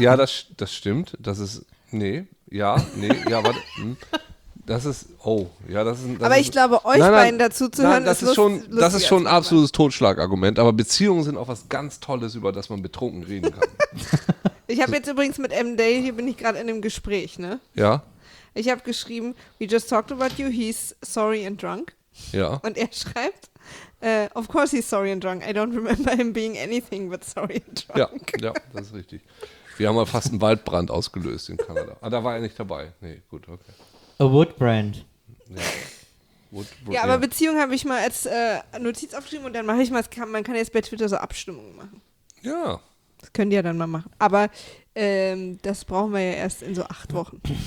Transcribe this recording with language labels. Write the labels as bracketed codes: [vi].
[de] Ja, das stimmt. Das ist... Warte. Das ist... Oh, ja, das ist... Das aber ist, ich glaube, euch nein, beiden dazu zu hören, das ist lustig. Das ist schon ein absolutes Totschlagargument. Aber Beziehungen sind auch was ganz Tolles, über das man betrunken reden kann. Ich habe jetzt übrigens mit M. Day, hier bin ich gerade in einem Gespräch, ne? Ja. Ich habe geschrieben, [en] we just talked about you, he's sorry and drunk. [de] Ja. Und er schreibt, [en] of course he's sorry and drunk, I don't remember him being anything but sorry and drunk. [de] Ja, ja, das ist richtig. Wir haben mal fast einen Waldbrand ausgelöst in Kanada. Ah, da war er nicht dabei. Nee, gut, okay. [en] A wood brand. [de] Ja. Ja, aber Beziehung habe ich mal als Notiz aufgeschrieben und dann mache ich mal, man kann jetzt bei Twitter so Abstimmungen machen. Ja. Das könnt ihr ja dann mal machen. Aber das brauchen wir ja erst in so 8 Wochen.